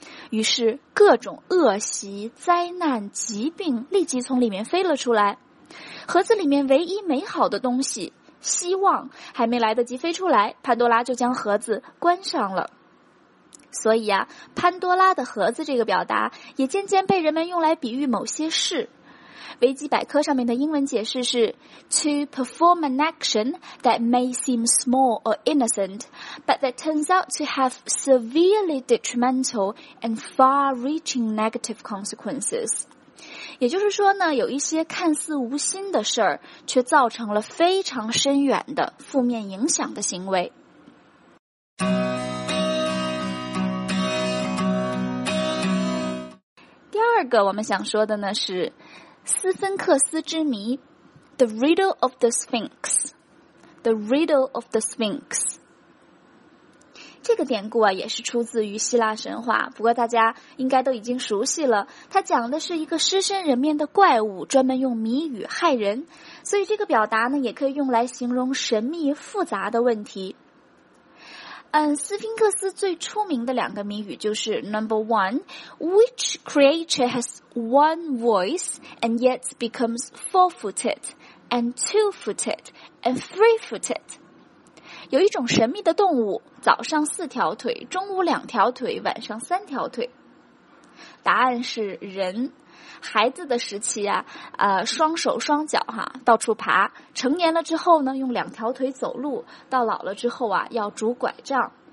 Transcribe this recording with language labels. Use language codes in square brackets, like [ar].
[zh] 于是各种恶习、灾难、疾病立即从里面飞了出来。盒子里面唯一美好的东西希望还没来得及飞出来，潘多拉就将盒子关上了。所以啊，潘多拉的盒子这个表达也渐渐被人们用来比喻某些事。维基百科上面的英文解释是 [en] To perform an action that may seem small or innocent, but that turns out to have severely detrimental and far-reaching negative consequences. [zh] 也就是说呢，有一些看似无心的事儿，却造成了非常深远的负面影响的行为。第二个我们想说的呢是斯芬克斯之谜 [en] The Riddle of the Sphinx The Riddle of the Sphinx。 [zh] 这个典故啊，也是出自于希腊神话，不过大家应该都已经熟悉了。它讲的是一个狮身人面的怪物专门用谜语害人，所以这个表达呢，也可以用来形容神秘复杂的问题。斯芬克斯最出名的两个谜语就是 [en] Number one, which creature has one voice and yet becomes four-footed and two-footed and three-footed? [zh] 有一种神秘的动物，早上四条腿，中午两条腿，晚上三条腿。答案是人。孩子的时期啊，双手双脚哈，到处爬。成年了之后呢，用两条腿走路。到老了之后啊，要拄拐杖。